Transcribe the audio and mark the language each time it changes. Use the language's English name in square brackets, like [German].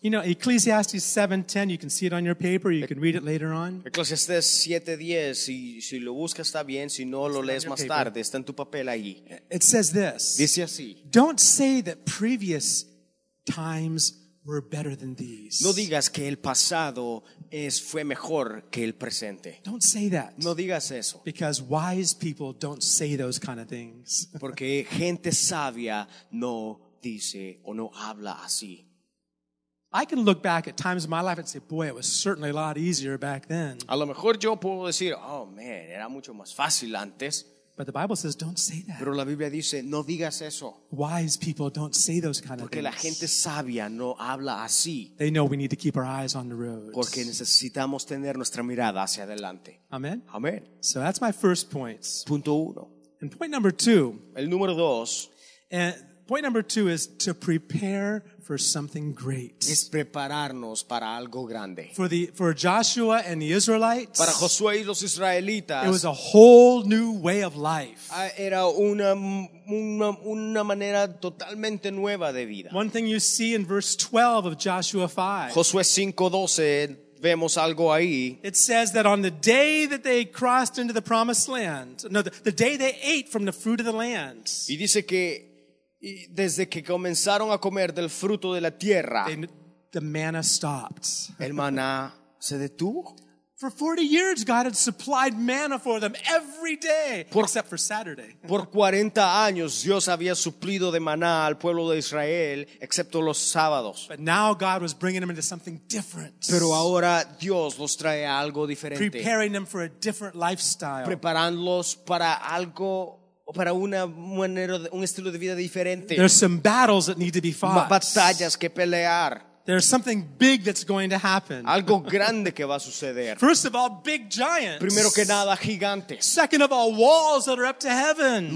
[English] You know, Ecclesiastes 7:10, you can see it on your paper, you can read it later on. [Spanish] Ecclesiastes 7:10, si lo buscas está bien, si no lo lees más tarde, está en tu papel ahí. [English] It says this. [Spanish] Dice así. [English] Don't say that previous times were better than these. [Spanish] No digas que el pasado fue mejor que el presente. [English] Don't say that. [Spanish] No digas eso. [English] Because wise people don't say those kind of things. [Spanish] Porque gente sabia no dice o no habla así. [English] I can look back at times in my life and say, boy, it was certainly a lot easier back then. [Spanish] A lo mejor yo puedo decir, [English] oh man, [Spanish] era mucho más fácil antes. [English] But the Bible says, don't say that. [Spanish] Pero la Biblia dice, no digas eso. [English] Wise people don't say those kind [Spanish] porque [English] of things. [Spanish] La gente sabia no habla así. [English] They know we need to keep our eyes on the road. [Spanish] Porque necesitamos tener nuestra mirada hacia adelante. [English] Amen. [Spanish] Amen. [English] So that's my first point. [Spanish] Punto uno. [English] And point number two. [Spanish] El número dos. [English] And Point number two is to prepare for something great. [Spanish] Es prepararnos para algo grande. [English] For Joshua and the Israelites. [Spanish] Para Josué y los israelitas. [English] It was a whole new way of life. [Spanish] Era una manera totalmente nueva de vida. [English] One thing you see in verse 12 of Joshua 5. [Spanish] Josué 5:12. Vemos algo ahí. [English] It says that on the day that they crossed into the promised land, the day they ate from the fruit of the land. [Spanish] Y dice que desde que comenzaron a comer del fruto de la tierra, [English] the manna stopped. [Spanish] El maná se detuvo. [English] For 40 years, God had supplied manna for them every day, except for Saturday. [Spanish] Por 40 años, Dios había suplido de maná al pueblo de Israel, excepto los sábados. [English] But now God was bringing them into something different. [Spanish] Pero ahora Dios los trae a algo diferente. [English] Preparing them for a different lifestyle. [Spanish] Preparándolos para algo para una manera, un estilo de vida diferente. [English] There's some battles that need to be fought. [Spanish] Batallas que pelear. [English] There's something big that's going to happen. [Spanish] Algo grande que va a suceder. [English] First of all, big giants. [Spanish] Primero que nada, gigantes. [English] Second of all, walls that are up to heaven.